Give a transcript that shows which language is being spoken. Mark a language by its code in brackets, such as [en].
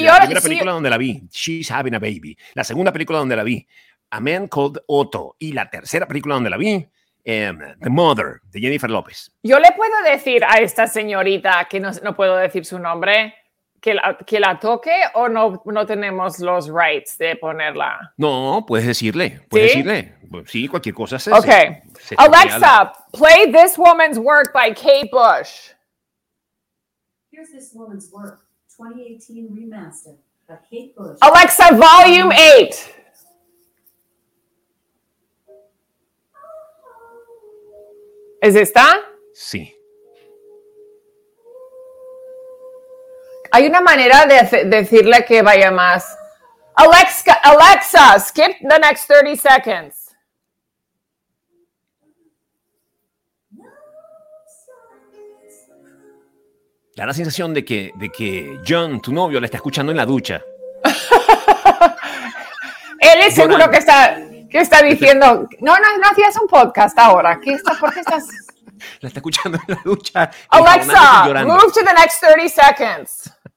[es] la primera película donde la vi, She's Having a Baby. La segunda película donde la vi, A Man Called Otto. Y la tercera película donde la vi, The Mother, de Jennifer López. Yo le puedo decir a esta señorita, que no puedo decir su nombre, que la toque, o no tenemos los rights de ponerla. No, puedes decirle. Sí, cualquier cosa. Okay. [en] Se Alexa, play This Woman's Work by Kate Bush. Here's This Woman's Work, 2018 remaster by Kate Bush. Alexa, volume 8. [es] ¿Es esta? Sí. Hay una manera de decirle que vaya más. [en] Alexa, skip the next 30 seconds. [es] Da la sensación de que John, tu novio, la está escuchando en la ducha. Él es seguro que está... ¿Qué está diciendo? No hacías un podcast ahora. ¿Por qué estás? La está escuchando en la ducha. [en] Alexa, move to the next 30 seconds.